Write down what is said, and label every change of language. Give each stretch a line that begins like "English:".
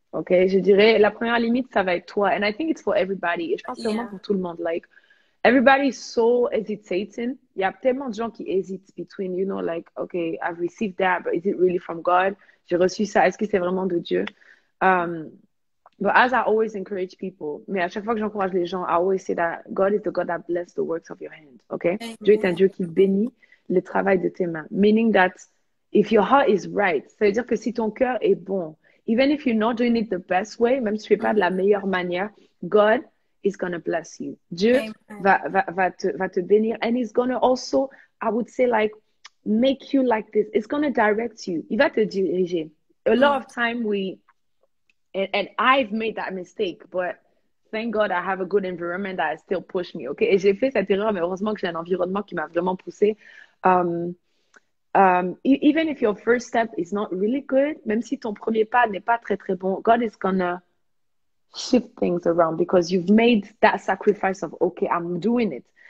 French: Okay, je dirais la première limite, ça va être toi.
English: And I think it's for everybody.
French: Et je pense vraiment pour tout le monde.
English: Like, everybody is so hesitating.
French: Il y a tellement de gens qui hésitent
English: between, like, okay, I've received that, but is it really from God?
French: J'ai reçu ça, est-ce que c'est vraiment de Dieu?
English: But as I always encourage people,
French: mais à chaque fois que j'encourage les gens,
English: I always say that God is the God that bless the works of your hand. Okay,
French: Dieu est un
English: Amen.
French: Dieu qui bénit le travail de tes mains.
English: Meaning that if your heart is right,
French: ça veut dire que si ton cœur est bon,
English: even if you're not doing it the best way,
French: même si tu ne fais pas de la meilleure manière,
English: God is going to bless you. Dieu Amen.
French: va te bénir.
English: And he's going to also, I would say, like, make you like this. It's going to direct you.
French: Il va te diriger.
English: A lot of time we, and I've made that mistake, but thank God I have a good environment that still push me.
French: Okay, et j'ai fait cette erreur, mais heureusement que j'ai un environnement qui m'a vraiment poussé.
English: Even if your first step is not really good,
French: même si ton premier pas n'est pas très très bon,
English: God is gonna shift things around because you've made that sacrifice of okay, I'm doing it.